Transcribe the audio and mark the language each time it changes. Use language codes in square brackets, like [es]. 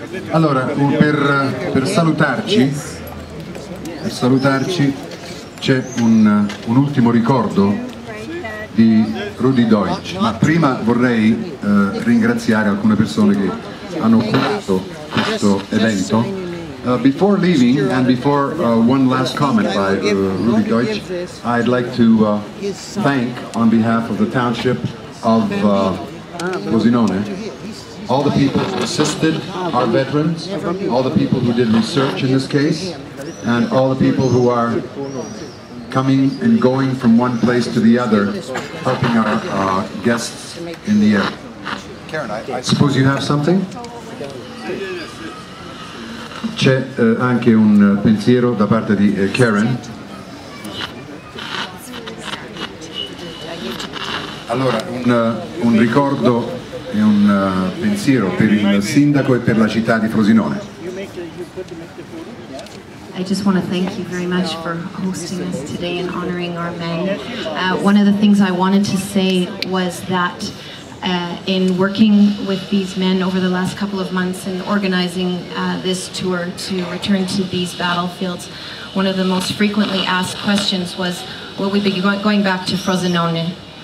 [it] Allora, per salutarci, c'è un ultimo ricordo di Rudy Deutsch, ma prima vorrei ringraziare alcune persone che hanno curato questo evento. [en] Before leaving and before one last comment by Rudy Deutsch, I'd like to thank on behalf of the township of Frosinone all the people who assisted our veterans, all the people who did research in this case, and all the people who are coming and going from one place to the other, helping our guests in the air. Karen, I suppose you have something? [it] C'è anche un pensiero da parte di Karen. Allora, un ricordo e un pensiero per il sindaco e per la città di Frosinone. [en] I just want to thank you very much for hosting us today and honoring our men. One of the things I wanted to say was that in working with these men over the last couple of months and organizing this tour to return to these battlefields, one of the most frequently asked questions was, will we be going back to Frosinone?